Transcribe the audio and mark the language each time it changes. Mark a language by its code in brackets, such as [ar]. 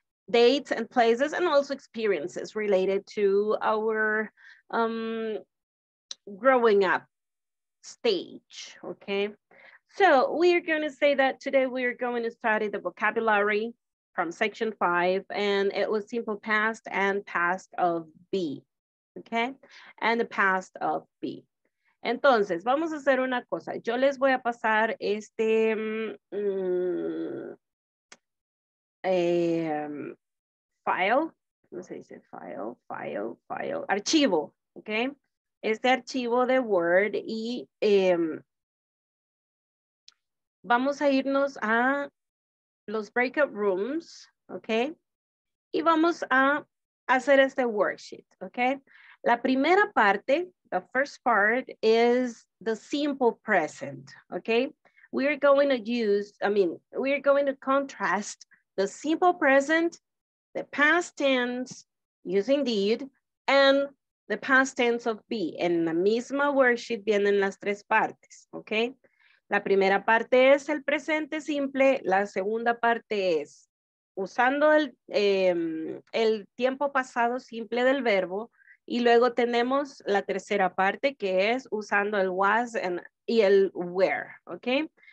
[en] Dates and places and also experiences related to our growing up stage, okay? So we are going to say that today we are going to study the vocabulary from section 5 and it was simple past and past of be, okay? And the past of be. [es] Entonces, vamos a hacer una cosa. Yo les voy a pasar este file. ¿Cómo se dice? File, archivo, ¿ok? este archivo de Word y vamos a irnos a los breakout rooms, ¿ok? Y vamos a hacer este worksheet, ¿ok? La primera parte, [en] the first part, is the simple present, ¿ok? We are going to use, I mean, we are going to contrast the simple present, the past tense, using did, and the past tense of be. [es] En la misma worksheet vienen las tres partes, ¿ok? La primera parte es el presente simple, la segunda parte es usando el tiempo pasado simple del verbo, y luego tenemos la tercera parte que es usando el was y el were, ¿ok?